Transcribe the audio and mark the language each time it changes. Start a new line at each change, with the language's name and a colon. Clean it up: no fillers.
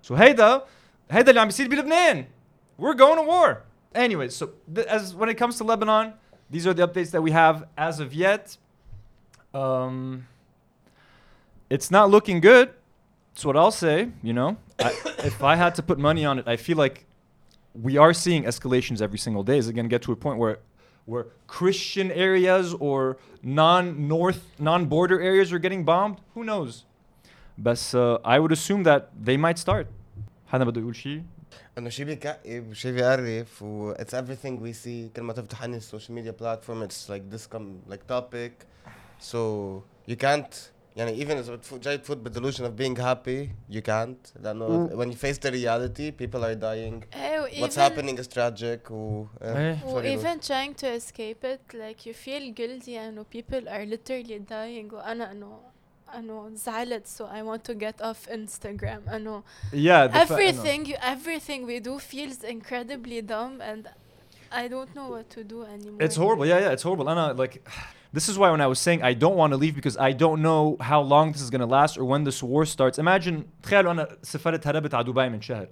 Arabic: So هيدا اللي عم بيصير بلبنان.
English: We're going to war. Anyways, so as when it comes to Lebanon, these are the updates that we have as of yet. It's not looking good. That's what I'll say, you know. If I had to put money on it, I feel like we are seeing escalations every single day. Is it going to get to a point where Christian areas or non-north, non-border areas are getting bombed? Who knows? But I would assume that they might start.
Arabic: هذا بدو يقول شيء. أنه شيء بيكئب وشيء بيقرف و
English: it's everything we see.
Arabic: كل ما تفتح عن السوشيال ميديا بلاتفورم
English: it's like this come like topic. So you can't, يعني even if it's
Arabic: جاي تفوت بالدلوشن
English: of being happy, you can't. لأنه when you face the reality, people are dying. What's happening is tragic. Even trying to escape it, like you feel guilty and people are literally dying.
Arabic: وأنا أنه زعلت,
English: so I want to get off Instagram. I know. Yeah. Everything we do feels incredibly dumb, and I don't know what to do anymore. It's horrible. Yeah, it's horrible. Anna, like, this is why when I was saying I don't want to leave because I don't know how long this is gonna last or when this war starts.
Arabic: Imagine, تخيلوا أنا سفرت هربت على دبي من شهر.